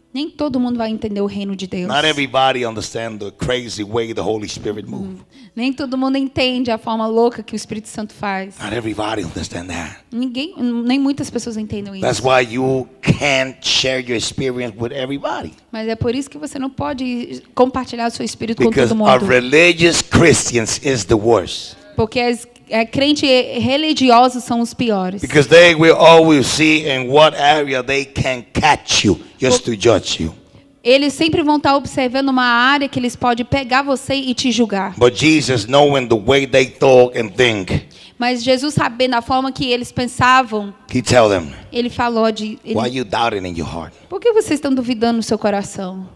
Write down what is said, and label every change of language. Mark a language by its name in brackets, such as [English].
[Portuguese] Nem todo mundo vai entender o reino de Deus. [English] Not everybody understand the crazy way the Holy Spirit moves. [Portuguese] Nem todo mundo entende a forma louca que o Espírito Santo faz. [English] Not everybody understand that. [Portuguese] Ninguém, nem muitas pessoas entendem isso. [English] That's why you can't share your experience with everybody. [Portuguese] Mas é por isso que você não pode compartilhar o seu espírito [English] Because Because a religious Christians is the worst. [Portuguese] Porque as crente religiosos são os piores. [English] Because they will always see in what area they can catch you. Just to judge you. [Portuguese] Eles sempre vão estar observando uma área que eles podem pegar você e te julgar. [English] But Jesus, knowing the way they talk and think, [Portuguese] mas Jesus sabendo a forma que eles pensavam. [English] He tell them, [Portuguese] ele falou de. Ele, [English] why you doubting in your heart? [Portuguese] Por que vocês estão duvidando no seu coração?